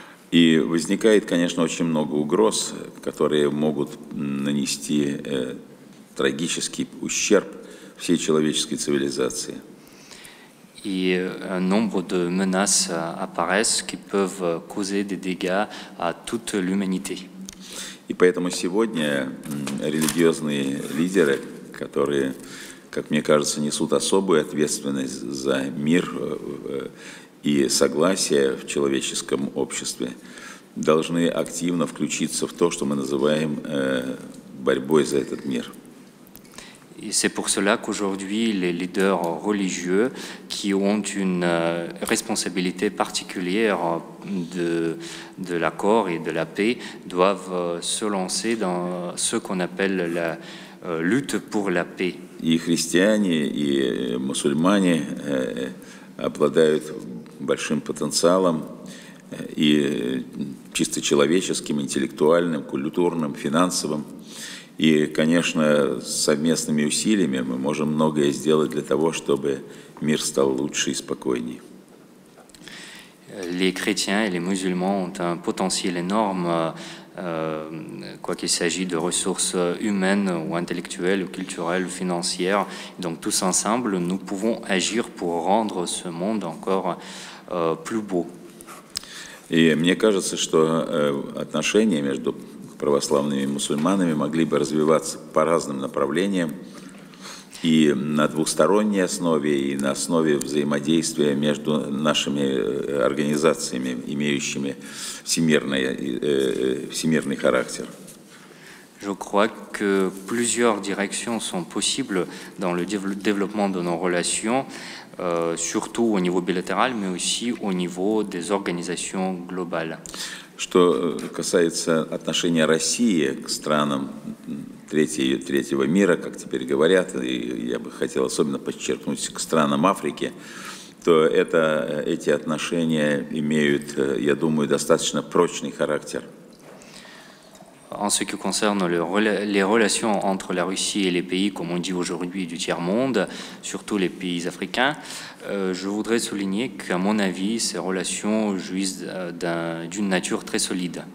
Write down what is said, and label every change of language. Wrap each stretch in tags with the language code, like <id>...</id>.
<ru>И возникает, конечно, очень много угроз, которые могут нанести трагический ущерб всей человеческой цивилизации. И</ru> <fr>un nombre de menaces apparaissent qui peuvent causer des dégâts à toute l'humanité.</fr> <ru>И поэтому сегодня религиозные лидеры, которые, как мне кажется, несут особую ответственность за мир и согласие в человеческом обществе, должны активно включиться в то, что мы называем борьбой за этот мир.</ru> <fr>Et c'est pour cela qu'aujourd'hui les leaders religieux qui ont une responsabilité particulière de l'accord et de la paix doivent se lancer dans ce qu'on appelle la lutte pour la paix.</fr> <ru>И христиане, и мусульмане обладают большим потенциалом и чисто человеческим, интеллектуальным, культурным, финансовым. И, конечно, совместными усилиями мы можем многое сделать для того, чтобы мир стал лучше и спокойнее.</ru> <fr>Les chrétiens et les musulmans ont un potentiel énorme quoi qu'il s'agisse de ressources humaines ou intellectuelles ou culturelles ou financières. Donc tous ensemble, nous pouvons agir pour rendre ce monde encore plus beau.</fr> <ru>И мне кажется, что отношения между православными и мусульманами могли бы развиваться по разным направлениям, и на двухсторонней основе, и на основе взаимодействия между нашими организациями, имеющими всемирный характер.</ru> <fr>Je crois que plusieurs directions sont possibles dans le développement de nos relations. Surtout au niveau bilatéral, mais aussi au niveau des organisations globales.</fr> <ru>Что касается отношения России к странам третьего мира, как теперь говорят, и я бы хотел особенно подчеркнуть к странам Африки, то эти отношения имеют, я думаю, достаточно прочный характер.</ru> <fr>En ce qui concerne les relations entre la Russie et les pays, comme on dit aujourd'hui, du tiers-monde, surtout les pays africains, je voudrais souligner qu'à mon avis, ces relations jouissent d'une nature très solide.</fr>